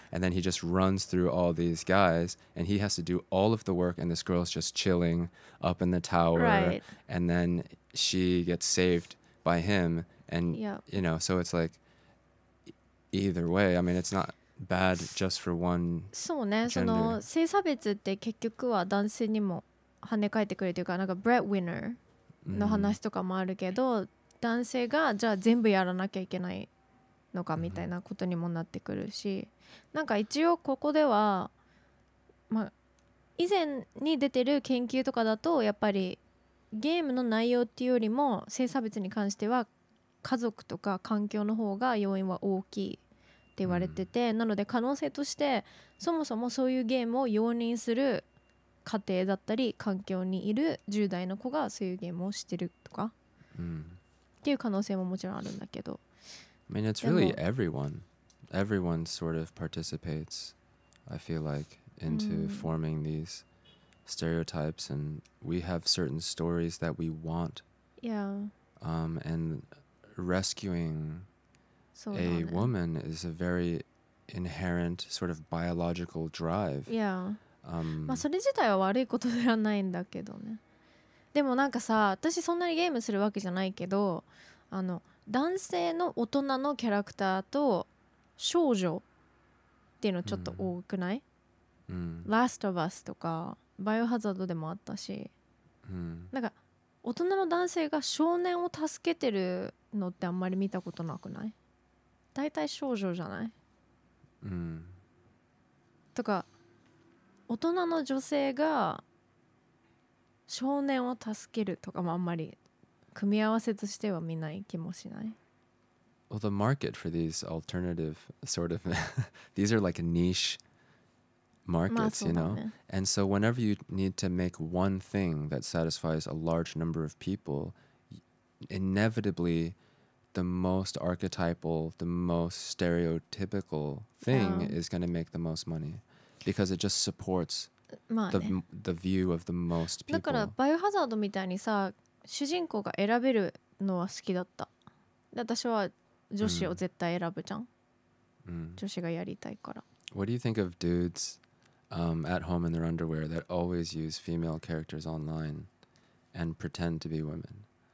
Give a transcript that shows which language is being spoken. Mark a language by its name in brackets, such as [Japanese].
[English] And then he just runs through all these guys and he has to do all of the work and this girl's just chilling up in the tower. Right. And then she gets saved by him. And, you know, so it's like either way, I mean, it's not... bad just for one [Japanese] そうね、gender. その性差別って結局は男性にも跳ね返ってくるというか、なんかブレッドウィナーの話とかもあるけど、男性がじゃあ全部やらなきゃいけないのかみたいなことにもなってくるし、なんか一応ここでは、まあ、以前に出てる研究とかだとやっぱりゲームの内容っていうよりも性差別に関しては家族とか環境の方が要因は大きいって言われてて、なので可能性としてそもそもそういうゲームを容認する家庭だったり環境にいる10代の子がそういうゲームをしてるとか、っていう可能性ももちろんあるんだけど、 [English] I mean it's really everyone sort of participates I feel like into forming these stereotypes and we have certain stories that we want and rescuing a woman is a very inherent sort of biological drive. Yeah. [Japanese] まあそれ自体は悪いことではないんだけどね。でもなんかさ、私そんなにゲームするわけじゃないけど、あの男性の大人のキャラクターと少女っていうのちょっと多くない、Last of Us とかバイオハザードでもあったし、なんか大人の男性が少年を助けてるのってあんまり見たことなくない？大体少女じゃない？とか大人の女性が少年を助けるとかもあんまり組み合わせとしては見ない気もしない。 [English] Well, the market for these alternative sort of these are like niche markets, you know? And so whenever you need to make one thing that satisfies a large number of people, inevitably the most archetypal, the most stereotypical thing is going to make the most money because it just supports the view of the most people. [Japanese] だからバイオハザードみたいにさ、主人公が選べるのは好きだった。で、私は女子を絶対選ぶじゃん。女子がやりたいから。 [English] What do you think of dudes at home in their underwear that always use female characters online and pretend to be women?